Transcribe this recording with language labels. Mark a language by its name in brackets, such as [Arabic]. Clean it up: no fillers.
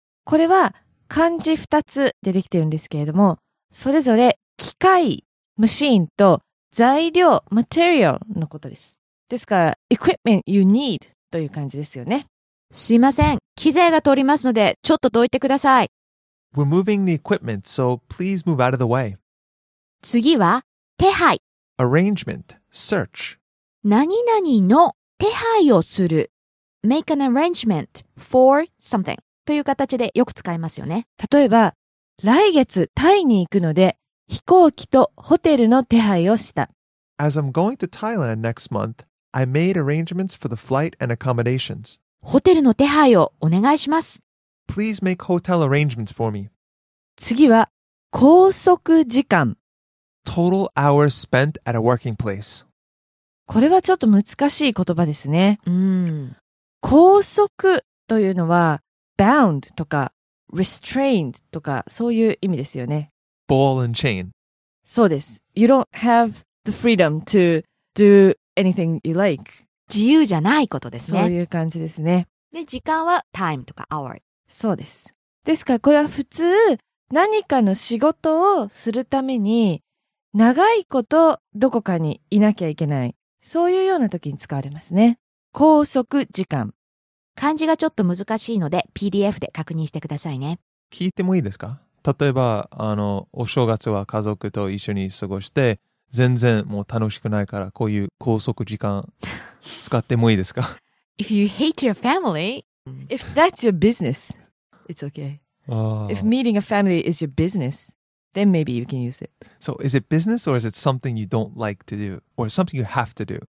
[Japanese] これは漢字2つでできているんですけれども、それぞれ機械、machine と材料、material のことです。ですから、equipment you need という感じですよね。すいません、機材が通りますので、ちょっとどいてください。 [English] We're moving the equipment, so please move out of the way. [Japanese] 次は手配。 [English] Arrangement, search. [Japanese] 何々の手配をする。 [English] Make an arrangement for something [Japanese] という形でよく使いますよね。例えば、来月タイに行くので飛行機とホテルの手配をした。 [English] As I'm going to Thailand next month, I made arrangements for the flight and accommodations. [Japanese] ホテルの手配をお願いします。 [English] Please make hotel arrangements for me. [Japanese] 次は拘束時間。 [English] Total hours spent at a working place. [Japanese] これはちょっと難しい言葉ですね。うん。拘束というのは bound とか restrained とかそういう意味ですよね。 [English] Ball and chain. [Japanese] そうです。 [English] You don't have the freedom to do anything you like. [Japanese] 自由じゃないことですね。そういう感じですね。で、時間は time とか hour。そうです。ですからこれは普通何かの仕事をするために長いことどこかにいなきゃいけない、そういうような時に使われますね。拘束時間、漢字がちょっと難しいので PDF で確認してくださいね。聞いてもいいですか？例えばお正月は家族と一緒に過ごして全然もう楽しくないから、こういう拘束時間使ってもいいですか？ [English] If you hate your family, if that's your business, it's okay. If meeting a family is your businessThen maybe you can use it. So is it business or is it something you don't like to do or something you have to do?